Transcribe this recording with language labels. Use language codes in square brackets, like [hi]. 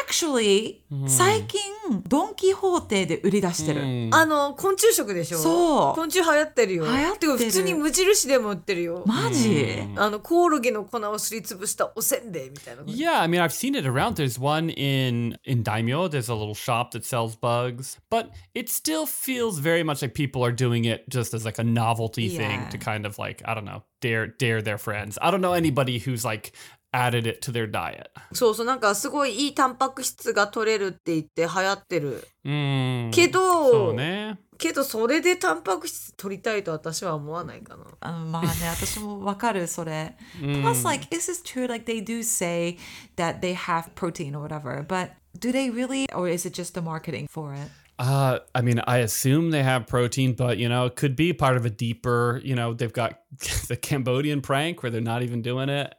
[en] Actually, [ja] 最近ドンキホーテで売り出してる。あの、昆虫食でしょ。そう。昆虫流行ってるよ。流行ってる。普通に無印でも売ってるよ。マジ？あの、コオロギの粉をすりつぶしたおせんべいみたいな。 [en] Yeah, I mean, I've seen it around. There's one in Daimyo. There's a little shop that sells bugs. But it still feels very much like people are doing it just as like a novelty thing to kind of like, I don't know, dare their friends. I don't know anybody who's like added it to their diet. So, so, like, [ja] すごいいいタンパク質が取れるって言って流行ってる。けど、そうね。けどそれでタンパク質取りたいと私は思わないかな。まあね、私もわかるそれ。 [en] Plus, like, is this true? Like, they do say that they have protein or whatever, but do they really, or is it just the marketing for it? I mean, I assume they have protein, but, you know, it could be part of a deeper, you know, they've got the Cambodian prank where they're not even doing it.